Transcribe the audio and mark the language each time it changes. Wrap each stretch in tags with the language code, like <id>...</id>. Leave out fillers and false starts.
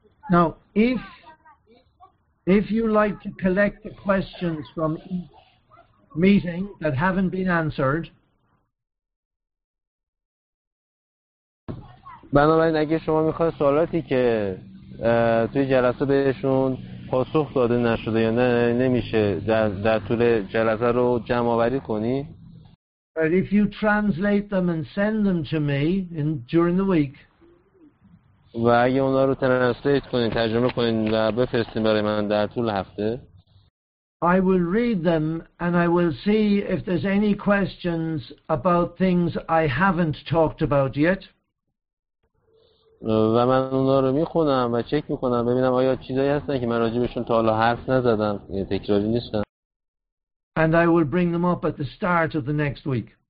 <en>Now, if you like to collect the questions from each meeting that haven't been answered,</en> <fa>بنابراین اگه شما میخواید سوالاتی که توی جلسه بهشون پاسخ داده نشده یا نمیشه در طول جلسه رو جمع آوری کنی.</fa> <en>But if you translate them and send them to me in during the week.</en> <fa>و اگه اونا رو ترنسلیت کنین, ترجمه کنین و بفرستین برای من در طول هفته.</fa> <en>I will read them and I will see if there's any questions about things I haven't talked about yet.</en> <fa>و من اونا رو میخونم و چک میکنم ببینم آیا چیزایی هستن که من راجبشون تا حالا حرف نزدم, تکراری نیستن.</fa> <en>And I will bring them up at the start of the next week.</en>